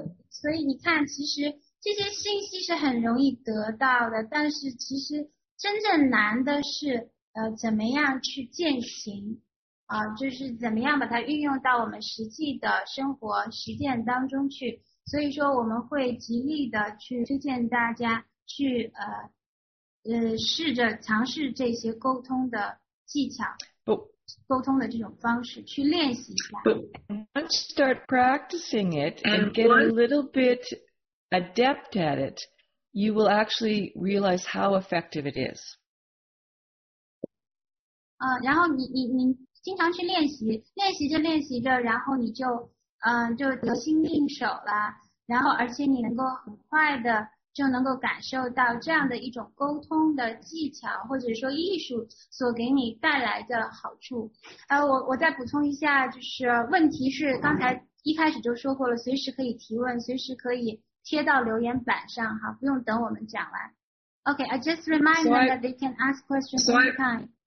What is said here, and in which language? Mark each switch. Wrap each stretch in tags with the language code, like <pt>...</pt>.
<zh>所以你看，其实这些信息是很容易得到的，但是其实真正难的是怎么样去践行就是怎么样把它运用到我们实际的生活实践当中去。所以说我们会极力的去推荐大家去试着尝试这些沟通的技巧，沟通的这种方式去练习一下。</zh> <en>Once you start practicing it and get a little bit adept at it, you will actually realize how effective it is.</en> <zh>然后你经常去练习，练习着练习着，然后你就就得心应手了。然后而且你能够很快的就能够感受到这样的一种沟通的技巧或者说艺术所给你带来的好处。我再补充一下，就是问题是刚才一开始就说过了，随时可以提问，随时可以贴到留言板上哈，不用等我们讲完。</zh> <en>OK, I just remind them that they can ask questions anytime.</en>